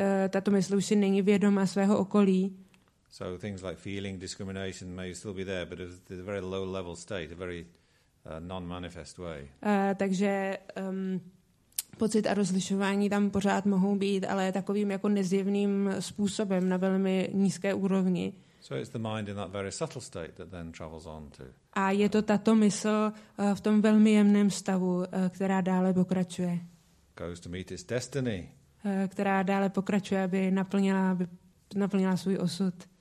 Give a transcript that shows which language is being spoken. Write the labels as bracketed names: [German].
[Czech] Tato mysl už si není vědoma svého okolí. [English] So things like feeling, discrimination may still be there, but it's a very low level state, a very non-manifest way. [Czech] Takže pocit a rozlišování tam pořád mohou být, ale takovým jako nezjevným způsobem na velmi nízké úrovni. [English] So it's the mind in that very subtle state that then travels on to. [Czech] A je to tato mysl v tom velmi jemném stavu, která dále pokračuje. [English] Goes to meet its destiny. [Czech] Která dále pokračuje, aby naplnila svůj osud.